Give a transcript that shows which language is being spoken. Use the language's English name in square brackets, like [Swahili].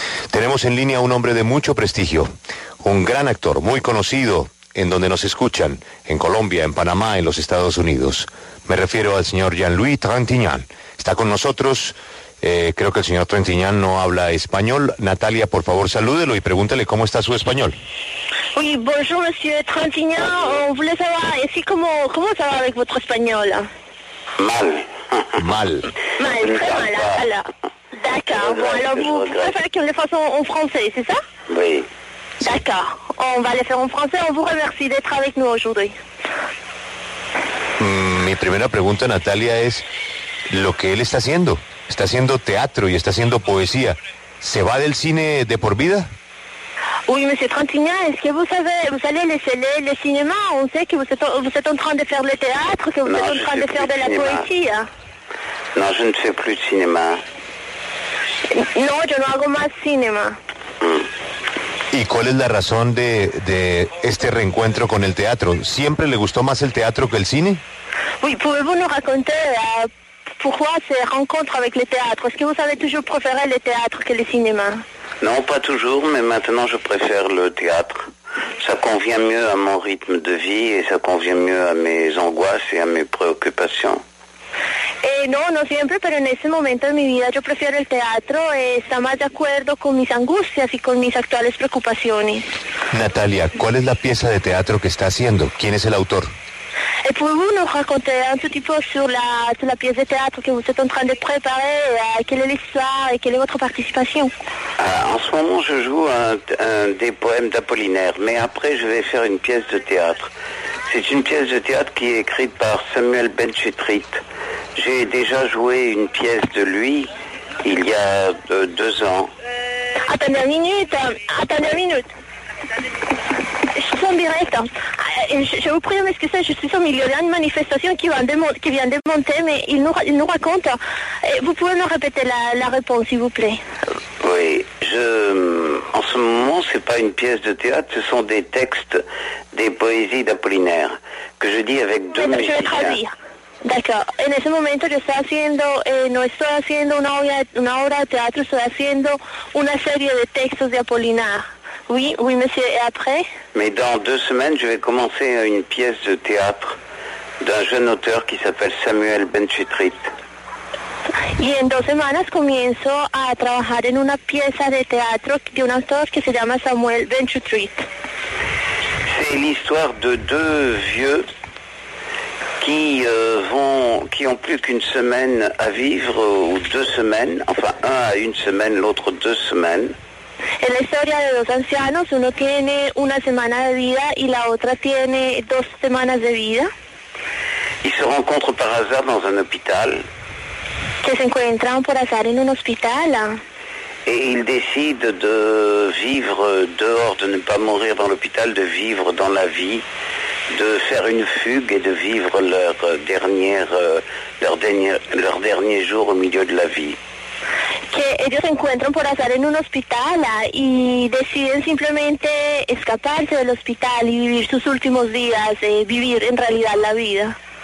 [Spanish] Tenemos en línea un hombre de mucho prestigio, un gran actor, muy conocido en donde nos escuchan, en Colombia, en Panamá, en los Estados Unidos. Me refiero al señor Jean-Louis Trintignant. Está con nosotros. Creo que el señor Trintignant no habla español. Natalia, por favor, salúdelo y pregúntele cómo está su español. [French] Oui, bonjour, monsieur Trintignant. On voulait savoir, si, [Spanish] ¿cómo se va [French] avec votre español? Mal. Mal. Mal, très mal. Alors, d'accord. Bon, alors vous préférez qu'on le fasse en français, c'est ça? Oui. D'accord. On va le faire en français. On vous remercie d'être avec nous aujourd'hui. [Spanish] Mi primera pregunta, Natalia, es lo que él está haciendo. Está haciendo teatro y está haciendo poesía. ¿Se va del cine de por vida? [French] Oui, monsieur Trintignant, est-ce que vous savez, vous allez laisser le cinéma? On sait que vous êtes en train de faire le théâtre, que vous êtes en train de faire de la poésie. Non, je ne fais plus de cinéma. Non, je ne [Spanish] hago más [French] cinema. [Spanish] ¿Y cuál es la razón de este reencuentro con el teatro? ¿Siempre le gustó más el teatro que el cine? [French] Oui, pouvez-vous nous raconter pourquoi ces rencontres avec le théâtre? Est-ce que vous avez toujours préféré le théâtre que le cinéma? Non, pas toujours, mais maintenant je préfère le théâtre. Ça convient mieux à mon rythme de vie et ça convient mieux à mes angoisses et à mes préoccupations. Et non, [Spanish] non siempre, pero en ese momento de mi vida yo prefiero el teatro y está más de acuerdo con mis angustias y con mis actuales preocupaciones. Natalia, ¿cuál es la pieza de teatro que está haciendo? ¿Quién es el autor? [French] Et pouvez-vous nous raconter un petit peu sur la pièce de théâtre que vous êtes en train de préparer, quelle est l'histoire et quelle est votre participation? En ce moment, je joue un des poèmes d'Apollinaire, mais après, je vais faire une pièce de théâtre. C'est une pièce de théâtre qui est écrite par Samuel Benchetrit. J'ai déjà joué une pièce de lui il y a deux ans. Attendez une minute. Je suis en direct. Je vous prie, mais excusez, je suis au milieu d'une manifestation qui vient de monter, mais il nous raconte. Vous pouvez me répéter la réponse, s'il vous plaît. Oui, en ce moment, ce n'est pas une pièce de théâtre, ce sont des textes, des poésies d'Apollinaire, que je dis avec deux musiciens. Je vais traduire. D'accord. En ce moment, je suis [Spanish] haciendo, no estoy haciendo una obra de théâtre, estoy haciendo una serie de textos de Apollinaire. [French] Oui, monsieur, et après? Mais dans deux semaines, je vais commencer une pièce de théâtre d'un jeune auteur qui s'appelle Samuel Benchetrit. [Spanish] Y en dos semanas comienzo a trabajar en una pieza de teatro de un autor que se llama Samuel Benchetrit. [French] C'est l'histoire de deux vieux qui ont plus qu'une semaine à vivre, ou deux semaines, enfin un à une semaine, l'autre deux semaines. [Spanish] Es la historia de dos ancianos, uno tiene una semana de vida y la otra tiene dos semanas de vida. Y [French] se rencontrent par hasard dans un hôpital. [Spanish] Que se encuentran por azar en un hospital. [French] Et ils décident de vivre dehors, de ne pas mourir dans l'hôpital, de vivre dans la vie, de faire une fugue et de vivre leur dernier jour au milieu de la vie. [Spanish] Que ellos se encuentran por azar en un hospital y deciden simplemente escaparse del hospital y vivir sus últimos días, vivir en realidad la vida.